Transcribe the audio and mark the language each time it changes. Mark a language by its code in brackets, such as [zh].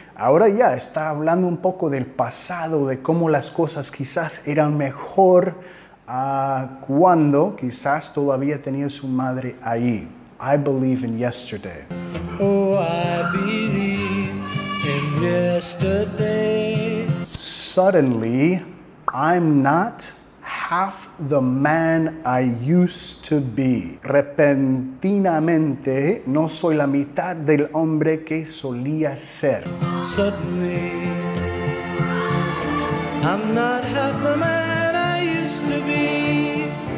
[es] Ahora ya está hablando un poco del pasado, de cómo las cosas quizás eran mejor cuando quizás todavía tenía su madre ahí. [en] I believe in yesterday. Oh, I believe in yesterday. Suddenly, I'm not half the man I used to be. [es] Repentinamente, no soy la mitad del hombre que solía ser. [en] Suddenly, I'm not half the man I used to be.